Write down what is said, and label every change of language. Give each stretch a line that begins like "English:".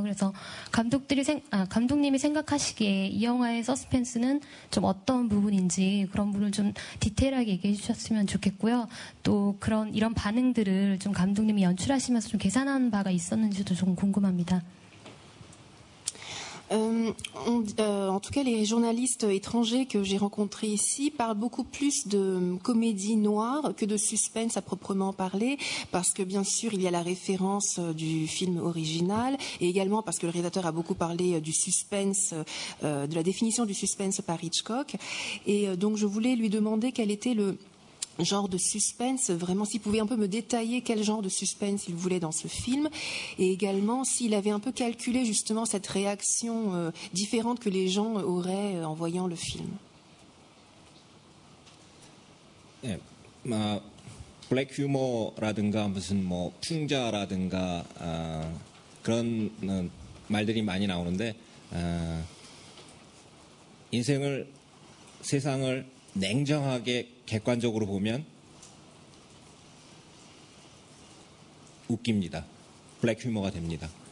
Korean: 그래서 감독님이 생각하시기에 이 영화의 서스펜스는 좀 어떤 부분인지 그런 부분을 좀 디테일하게 얘기해 주셨으면 좋겠고요. 또 그런 이런 반응들을 좀 감독님이 연출하시면서 좀 계산한 바가 있었는지도 좀 궁금합니다.
French: En tout cas, les journalistes étrangers que j'ai rencontrés ici parlent beaucoup plus de comédie noire que de suspense à proprement parler, parce que bien sûr, il y a la référence du film original, et également parce que le réalisateur a beaucoup parlé du suspense, de la définition du suspense par Hitchcock. Et donc, je voulais lui demander quel était le genre de suspense, vraiment, s'il pouvait un peu me détailler quel genre de suspense il voulait dans ce film, et également s'il avait un peu calculé justement cette réaction différente que les gens auraient en voyant le film.
Korean: Black humor라든가 무슨 뭐 풍자라든가 그런 말들이 많이 나오는데 인생을 세상을 냉정하게 객관적으로 보면 웃깁니다. 블랙 휴머가 됩니다.